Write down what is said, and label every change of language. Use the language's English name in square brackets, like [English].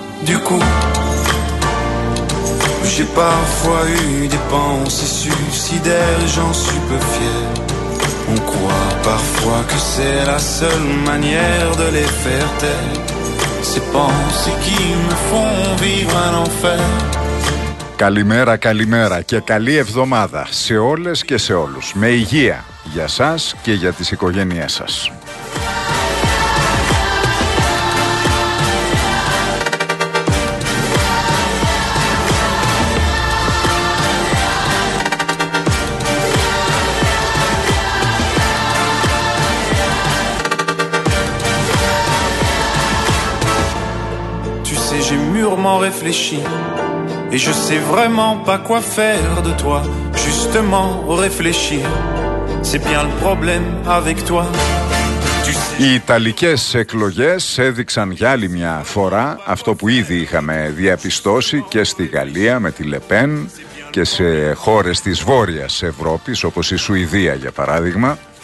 [French] Du coup, j'ai parfois eu des pensées suicidaires, j'en suis peu fier. On croit parfois que c'est la seule manière de les faire taire. Ces pensées qui me font vivre un enfer. [Greek] Καλημέρα, καλημέρα και καλή εβδομάδα σε όλες και σε όλους. Με υγεία για σας και για τις οικογένειές σας. [French] Tu sais, j'ai mûrement réfléchi. Et je sais vraiment pas quoi faire de toi. Justement, réfléchir, c'est bien le problème avec toi. [Greek] Οι ιταλικές εκλογές έδειξαν για άλλη μια φορά αυτό που ήδη είχαμε διαπιστώσει και στη Γαλλία με τη Λεπέν και σε χώρες της Βόρειας Ευρώπης όπως η Σουηδία για παράδειγμα.